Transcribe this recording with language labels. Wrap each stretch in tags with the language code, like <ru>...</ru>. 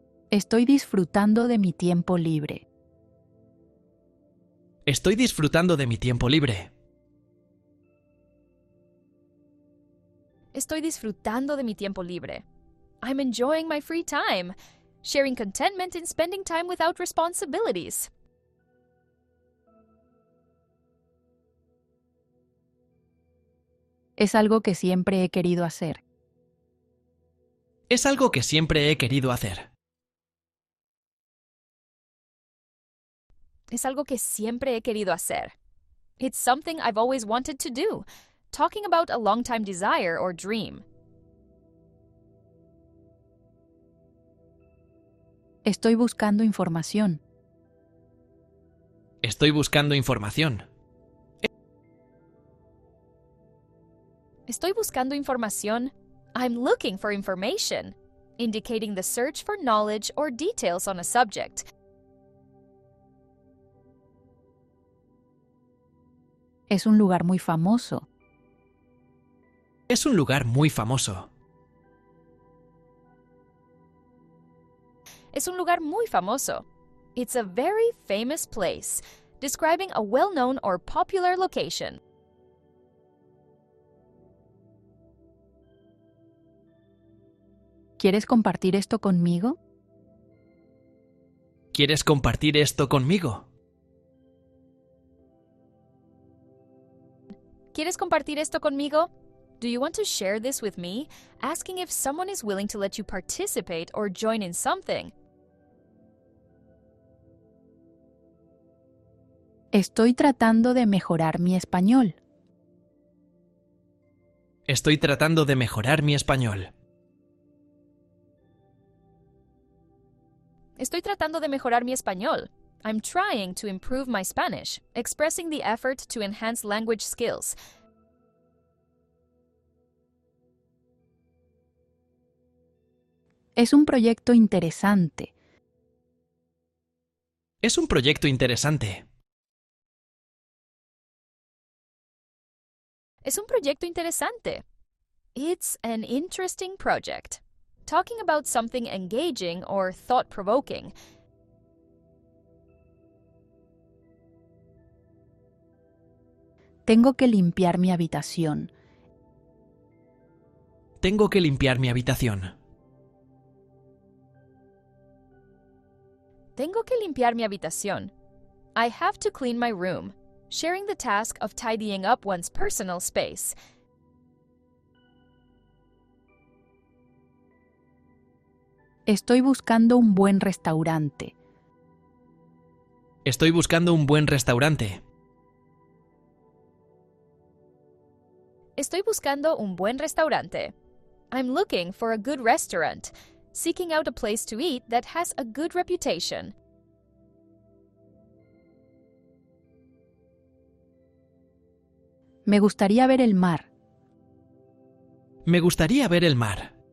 <es>Estoy disfrutando de mi tiempo libre. Estoy disfrutando de mi tiempo libre. Estoy disfrutando de mi tiempo libre.</es> <en>I'm enjoying my free time. Sharing contentment in spending time without responsibilities.</en> <es>Es algo que siempre he querido hacer. Es algo que siempre he querido hacer. Es algo que siempre he querido hacer.</es> <en>It's something I've always wanted to do. Talking about a long-time desire or dream.</en> <es>Estoy buscando información. Estoy buscando información. Estoy buscando información.</es> <en>I'm looking for information. Indicating the search for knowledge or details on a subject.</en> <es>Es un lugar muy famoso. Es un lugar muy famoso. Es un lugar muy famoso.</es> <en>It's a very famous place. Describing a well-known or popular location.</en> <es>¿Quieres compartir esto conmigo? ¿Quieres compartir esto conmigo? ¿Quieres compartir esto conmigo?</es> <en>Do you want to share this with me? Asking if someone is willing to let you participate or join in something.</en> <es>Estoy tratando de mejorar mi español. Estoy tratando de mejorar mi español. Estoy tratando de mejorar mi español.</es> <en>I'm trying to improve my Spanish, expressing the effort to enhance language skills.</en> <es>Es un proyecto interesante. Es un proyecto interesante. Es un proyecto interesante.</es> <en>It's an interesting project. Talking about something engaging or thought-provoking.</en> <es>Tengo que limpiar mi habitación. Tengo que limpiar mi habitación. Tengo que limpiar mi habitación.</es> <en>I have to clean my room. Sharing the task of tidying up one's personal space.</en> <es>Estoy buscando un buen restaurante. Estoy buscando un buen restaurante. Estoy buscando un buen restaurante.</es> <en>I'm looking for a good restaurant, seeking out a place to eat that has a good reputation.</en> <es>Me gustaría ver el mar. Me gustaría ver el mar.</es>